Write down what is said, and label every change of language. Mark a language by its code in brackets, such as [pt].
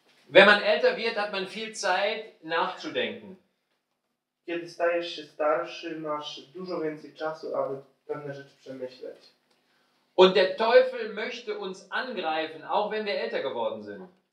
[de] Wenn man älter wird, hat man viel Zeit nachzudenken. [pl] Kiedy stajesz się starszy, masz dużo więcej czasu, aby pewne rzeczy przemyśleć. [de] Und der Teufel möchte uns angreifen, auch wenn wir älter geworden sind.